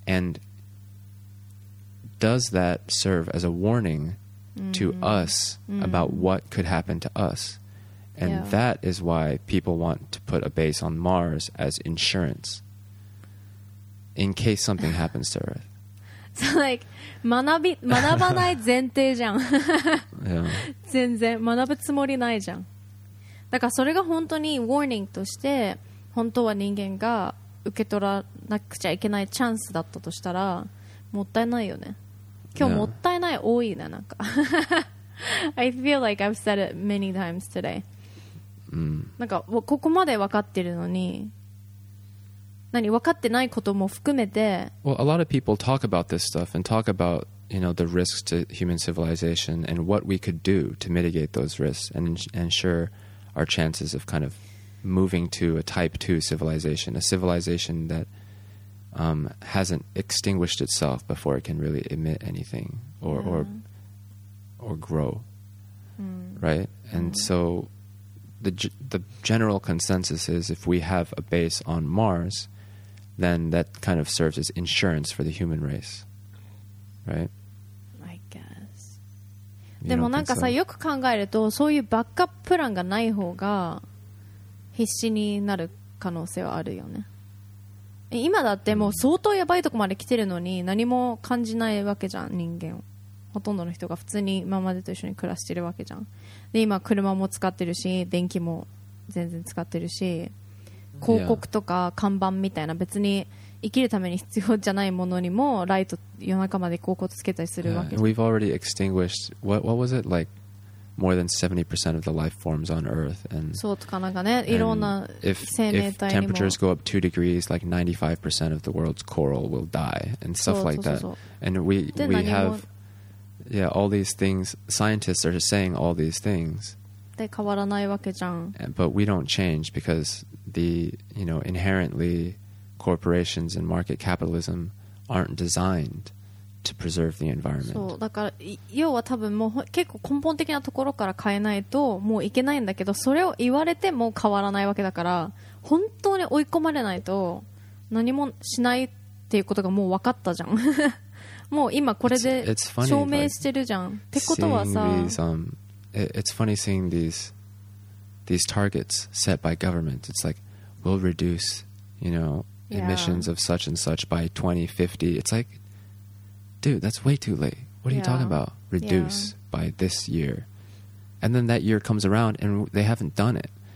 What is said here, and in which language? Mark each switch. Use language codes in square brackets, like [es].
[en] And... does that serve as a warning、mm. to us、mm. about what could happen to us? And、 yeah. that is why people want to put a base on Mars as insurance in case something happens to Earth. So like, [ja] 学ばない前提じゃん。全然学ぶつもりないじゃん。だからそれが本当に warning として、本当は人間が受け取らなくちゃいけないチャンスだったとしたら、もったいないよね。今日もったいない多いな、なんか。 [en] I feel like I've said it many times today.、 [ja] うん、なんか、ここまで分かってるのに、何、分かってないことも含めて。 [en] Well, a lot of people talk about this stuff and talk about, you know, the risks to human civilization and what we could do to mitigate those risks and ensure our chances of kind of moving to a type 2 civilization, a civilization that... hasn't extinguished itself before it can really emit anything or、 yeah. or grow、 mm. right and、mm. so the general consensus is if we have a base on Mars then that kind of serves as insurance for the human race right I guess、 you、 [ja] でもなんかさ、 [en] so? [ja] よく考えるとそういうバックアッププランがない方が必死になる可能性はあるよね今だってもう相当やばいとこまで来てるのに何も感じないわけじゃん人間ほとんどの人が普通に今までと一緒に暮らしてるわけじゃんで今車も使ってるし電気も全然使ってるし広告とか看板みたいな別に生きるために必要じゃないものにもライト夜中まで広告つけたりするわけ。 [en] Yeah. We've already extinguished what was it like more than 70% of the life forms on Earth and [ja] そうとかなんかねいろんな生命体にも [en] If temperatures go up 2 degrees like 95% of the world's coral will die and stuff like that and we have yeah all these things scientists are saying all these things [ja] で変わらないわけじゃん [en] but we don't change because the you know inherently corporations and market capitalism aren't designed to preserve the environment. [ja] そうだから要は多分もう結構根本的なところから変えないともういけないんだけどそれを言われても変わらないわけだから本当に追い込まれないと何もしないっていうことがもう分かったじゃんもう今これで証明してるじゃん [en] it's funny, [ja] ってことはさ [en] seeing these, it's funny seeing these targets set by government. It's like we'll reduce you know emissions of such and such by 2050. It's like, dude, that's way too late. What are you talking about? Reduce by this year. And then that year comes around and they haven't done it.